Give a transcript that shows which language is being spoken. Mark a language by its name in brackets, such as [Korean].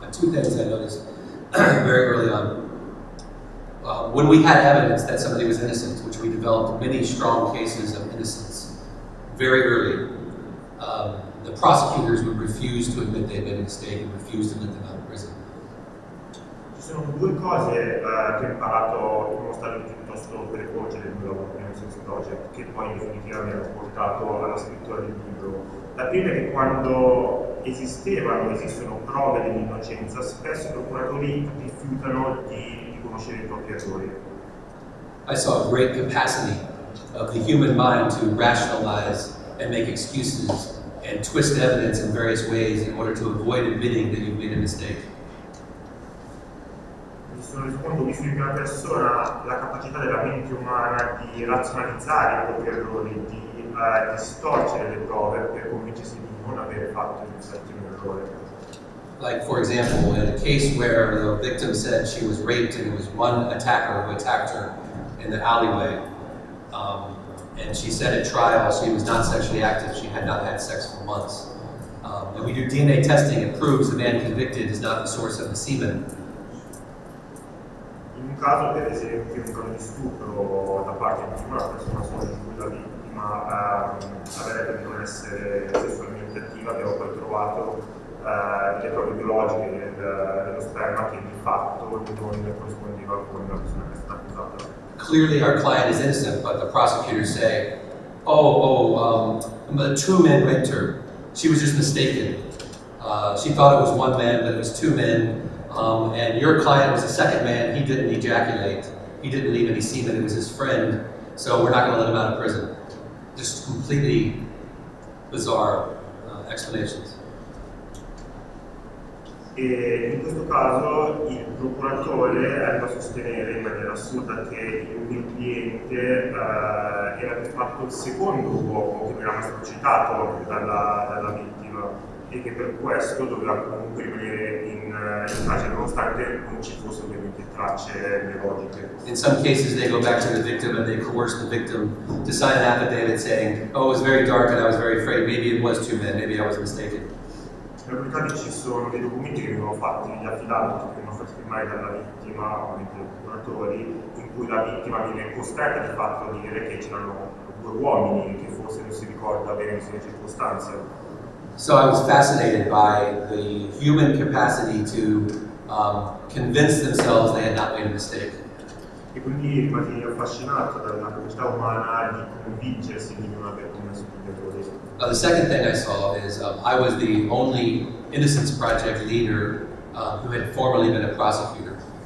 [English] But two things I noticed very early on. When we had evidence that somebody was innocent, which we developed many strong cases of innocence very early, the prosecutors would refuse to admit they had been mistaken, refuse to let them out of prison. [Italian] Sono due cose che ho imparato in uno stato piuttosto precoce del mio lavoro nel senso project, che poi in definitiva mi hanno portato alla scrittura del libro. La prima è che quando esistevano, esistono prove dell'innocenza, spesso i procuratori rifiutano di riconoscere i propri errori. [English] I saw a great capacity of the human mind to rationalize and make excuses and twist evidence in various ways in order to avoid admitting that you've made a mistake. [Italian] Sono reso conto visto in prima persona la capacità della mente umana di razionalizzare i propri errori, di distorcere le prove per convincersi di non aver fatto in effetti un errore. [English] like, for example, in a case where the victim said she was raped and it was one attacker who attacked her in the alleyway, and she said at trial she was not sexually active, she had not had sex for months. And we do DNA testing, it proves the man convicted is not the source of the semen. [Italian] In un caso, per esempio, un caso di stupro da parte di una persona sola in cui la vittima avrebbe potuto essere sessualmente attiva, però poi trovato le prove biologiche dello sperma che di fatto non corrispondeva con la persona che è stata accusata. [English] Clearly our client is innocent, but the prosecutors say, two men raped her. She was just mistaken. She thought it was one man, but it was two men. And your client was the second man. He didn't ejaculate. He didn't leave any semen. It was his friend. So we're not going to let him out of prison. Just completely bizarre explanations. [Italian] E in questo caso il procuratore arriva a sostenere in maniera assurda che il cliente era di fatto il secondo uomo che non era mai stato citato dalla vittima e che per questo doveva comunque rimanere in carcere nonostante non ci fossero ovviamente tracce biologiche. [English] In some cases they go back to the victim and they coerce the victim to sign an affidavit saying, oh, it was very dark and I was very afraid, maybe it was two men, maybe I was mistaken. [Italian] In alcuni casi ci sono dei documenti che vengono fatti, gli affidati che vengono fatti firmare dalla vittima o dai procuratori, in cui la vittima viene costretta di fatto a dire che c'erano due uomini che forse non si ricorda bene in queste circostanze. [English] So I was fascinated by the human capacity to convince themselves they had not made a mistake. [Italian] E quindi rimasi affascinato dalla capacità umana di convincersi di non aver commesso un errore. [English] The second thing I saw is I was the only Innocence Project leader who had formerly been a prosecutor.